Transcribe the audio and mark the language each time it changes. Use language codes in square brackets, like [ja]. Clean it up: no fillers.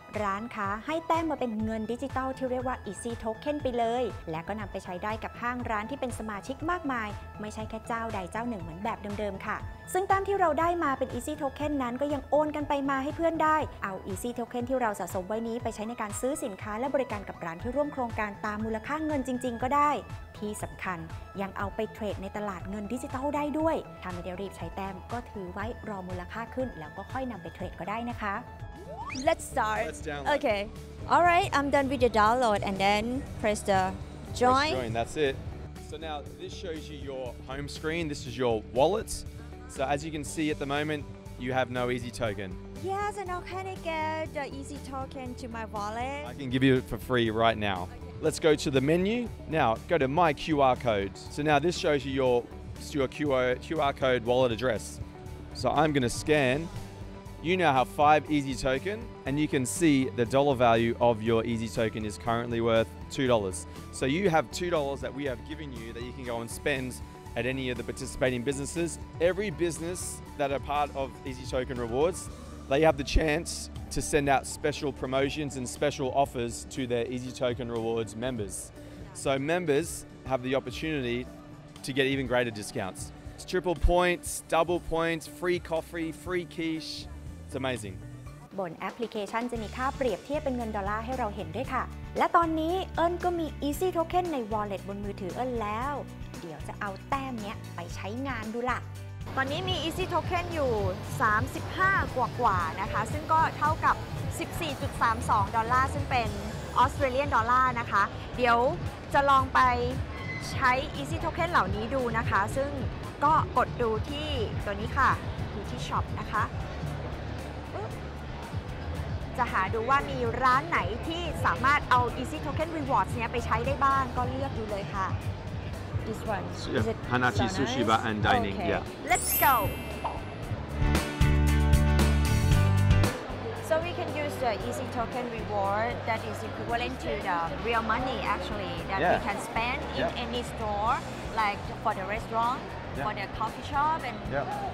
[th] ร้านค้าให้แต้มมาเป็นเงินดิจิตอลที่เรียกว่า Easy Token ไปเลยและก็นำไปใช้ได้กับห้างร้านที่เป็นสมาชิกมากมายไม่ใช่แค่เจ้าใดเจ้าหนึ่งเหมือนแบบเดิมๆค่ะซึ่งแต้มที่เราได้มาเป็น Easy Token นั้นก็ยังโอนกันไปมาให้เพื่อนได้เอา Easy Token ที่เราสะสมไว้นี้ไปใช้ในการซื้อสินค้าและบริการกับร้านที่ร่วมโครงการตามมูลค่าเงินจริงๆก็ได้ที่สำคัญยังเอาไปเทรดในตลาดเงินดิจิตอลได้ด้วยถ้าไม่ได้รีบใช้แต้มก็ถือไว้รอมูลค่าขึ้นแล้วก็ค่อยนำไปเทรดก็ได้นะคะ [en] Let's start. Let's download. Okay. All right, I'm done with the download and then press the join. Press join, that's it. So now this shows you your home screen. This is your wallet. So as you can see at the moment, you have no Easy Token. Yes, and how can I get the Easy Token to my wallet? I can give you it for free right now. Okay. Let's go to the menu. Now go to my QR code. So now this shows you your QR code wallet address. So I'm going to scan. You now have 5 Easy Token, and you can see the dollar value of your Easy Token is currently worth $2. So you have $2 that we have given you that you can go and spend at any of the participating businesses. Every business that are part of Easy Token Rewards, they have the chance to send out special promotions and special offers to their Easy Token Rewards members. So members have the opportunity to get even greater discounts. It's triple points, double points, free coffee, free quiche. Amazing. [th] บนแอปพลิเคชันจะมีค่าเปรียบเทียบเป็นเงินดอลลาร์ให้เราเห็นด้วยค่ะและตอนนี้เอิญก็มี Easy Token ใน Wallet บนมือถือเอิญแล้วเดี๋ยวจะเอาแต้มเนี้ยไปใช้งานดูล่ะ ตอนนี้มี Easy Token อยู่35กว่าๆนะคะซึ่งก็เท่ากับ 14.32 ดอลลาร์ซึ่งเป็นออสเตรเลียนดอลลาร์นะคะเดี๋ยวจะลองไปใช้ Easy Token เหล่านี้ดูนะคะซึ่งก็กดดูที่ตัวนี้ค่ะดูที่ช็อปนะคะจะหาดูว่ามีร้านไหนที่สามารถเอา Easy Token Rewards เนี้ยไปใช้ได้บ้างก็เลือกดูเลยค่ะ [en] This one yeah. Is it Hanachi so Sushi Bar and Dining okay. Yeah Let's go So we can use the Easy Token Reward that is equivalent to the real money actually that yeah. we can spend in yeah. any store like for the restaurant yeah. for the coffee shop and yeah.